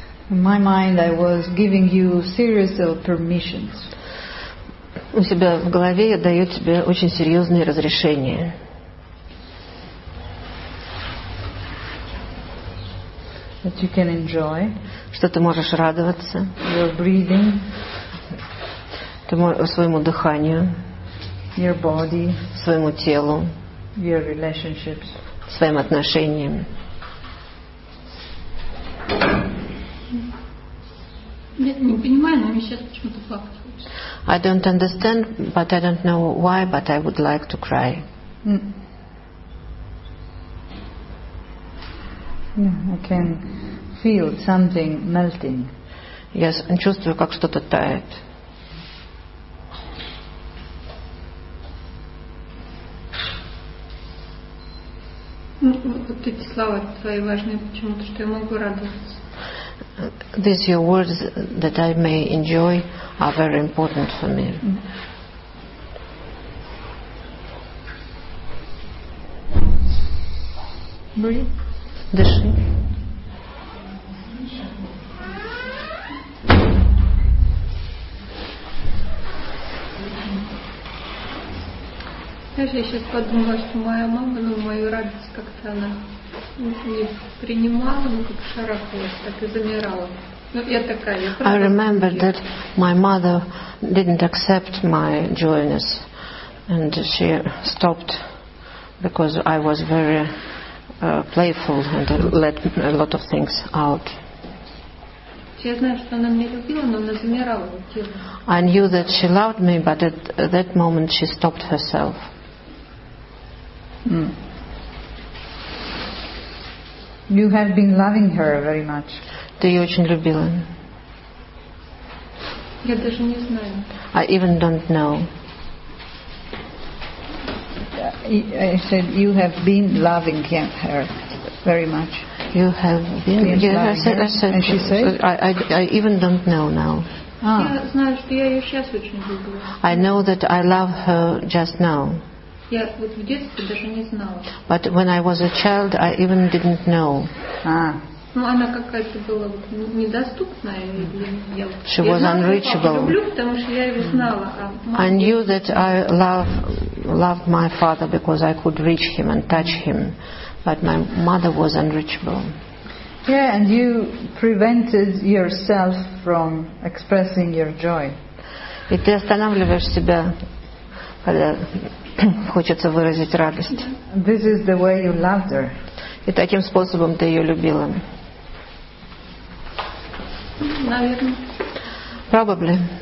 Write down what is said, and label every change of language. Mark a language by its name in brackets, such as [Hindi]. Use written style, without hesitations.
[English] In my mind I was giving you series of permissions. [Russian] У себя в голове я даю тебе очень серьезные разрешения. [English] That you can enjoy. [Russian] Что ты можешь радоваться. [English] Your breathing. [Russian] Своему дыханию. [English] Your body. [Russian] Своему телу. [English] Your relationships. [Russian] Своим отношениям. [English] I don't understand, but I don't know why, but I would like to cry. I can feel something melting. [Russian] Я чувствую, как что-то тает. Вот эти слова твои важные, почему-то, что я могу радоваться. [English] These your words that I may enjoy are very important for me. Breathe. [Russian] Дыши. Знаешь, я сейчас подумала, что моя мама, ну, мою радость как-то она не принимала, ну, как шарахалась, так и замирала. Ну, я такая, я правда. [English] I remember that my mother didn't accept my joyness, and she stopped because I was very playful and let a lot of things out. [Russian] Я знаю, что она меня любила, но она замирала в теле. [English] I knew that she loved me, but at that moment she stopped herself. You have been loving her very much. [Russian] Ты ее очень любила. Я даже не знаю. [English] I even don't know. I said you have been loving her very much. You have been. I said. And she said. I even don't know now. [Russian] Я знаю, что я ее сейчас очень люблю. [English] I know that I love her just now. [Russian] Я вот в детстве даже не знала. [English] But when I was a child, I even didn't know. [Russian] Ну, она какая-то была недоступная. [English] She was unreachable. [Russian] Я люблю, потому что я ее знала. [English] I knew that I love loved my father because I could reach him and touch him, but my mother was unreachable. Yeah, and you prevented yourself from expressing your joy. [Russian] И ты останавливаешь себя, когда хочется выразить радость. [English] This is the way you loved her. [Russian] И таким способом ты ее любила. Наверное. [English] Probably.